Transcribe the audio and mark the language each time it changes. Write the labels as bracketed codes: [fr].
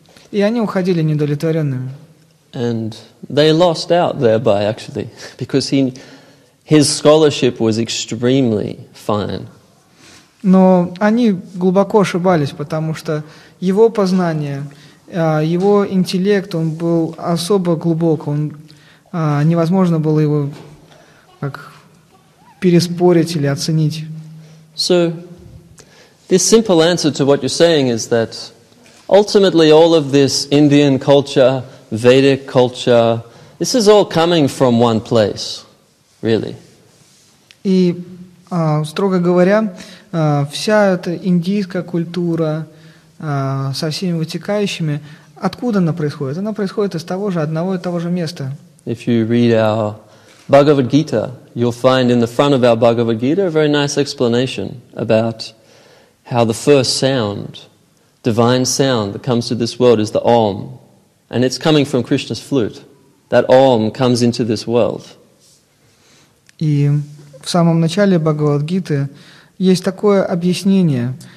[ru] И они уходили недовлетворенными. [en] And they lost out thereby, actually, because his scholarship was extremely fine. [ru] Но они глубоко ошибались, потому что его познание, его интеллект, он был особо глубок, невозможно было его как переспорить или оценить. [en] So, this simple answer to what you're saying is that ultimately all of this Indian culture, Vedic culture, this is all coming from one place, really. [ru] И, строго говоря, вся эта индийская культура со всеми вытекающими, откуда она происходит? Она происходит из того же, одного и того же места. [en] If you read our Bhagavad Gita, you'll find in the front of our Bhagavad Gita a very nice explanation about how the first sound, divine sound that comes to this world is the Om, and it's coming from Krishna's flute. That Om comes into this world. [ru] И в самом начале Бхагавад Гиты есть такое объяснение.